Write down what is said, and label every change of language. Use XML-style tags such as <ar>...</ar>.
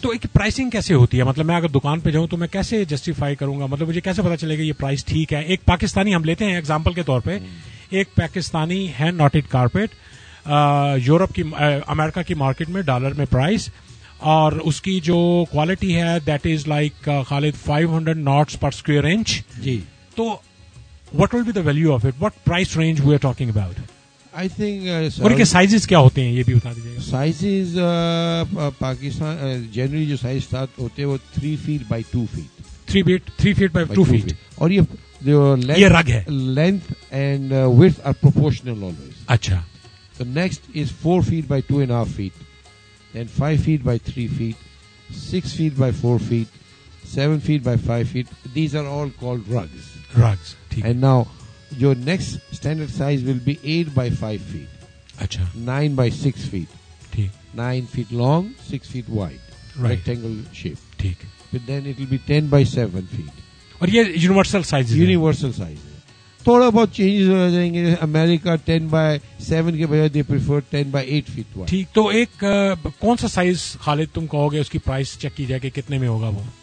<ur>تو ایک پرائسنگ کیسے ہوتی ہے؟ مطلب میں اگر دکان پہ جاؤں تو میں کیسے جسٹیفائی کروں گا؟ مطلب مجھے کیسے پتا چلے گا یہ پرائز ٹھیک ہے؟ ایک پاکستانی ہم لیتے ہیں ایگزامپل کے طور پہ, ایک Pakistani hand noted carpet Europe کی امریکہ کی مارکیٹ میں ڈالر میں پرائس اور اس کی جو کوالٹی ہے</ur> <en>That is like Khalid 500 knots per square inch.</en> <ur>جی,</ur> <en>تو what will be the value of it, what price range we are talking about? I think</en> <ur>اور ان کے سائزز کیا ہوتے ہیں یہ بھی بتا دیجیے. سائزز پاکستان جنرلی جو سائز سٹارٹ ہوتے ہیں وہ</ur> <en>3 feet by 2 feet</en> <ur>اور یہ یہ رگ ہے,</ur> <en>Length and width are proportional always.</en> <ur>اچھا,</ur> <en>تو next is 4 feet by 2.5 feet, then 5 feet by 3 feet, 6 feet by 4 feet, 7 feet by 5 feet, these are all called rugs. Rugs, and now your next standard size will be 8 by 5 feet.</en> <ur>اچھا,</ur> <en>9 by 6 feet, 9 feet long 6 feet wide, rectangle shape.</en> <ur>ٹھیک,</ur> <en>But then it will be 10 by 7 feet.</en> <ur>اور یہ universal size? Universal size ہے, تھوڑا بہت changes ہو جائیں گے. امریکہ 10 by 7 کے بجائے</ur> <en>They prefer 10 by 8 feet.</en> <ur>ٹھیک, تو ایک کون سا سائز خالد تم کہو گے اس کی پرائز چیک کی جائے کہ کتنے میں ہوگا وہ؟</ur>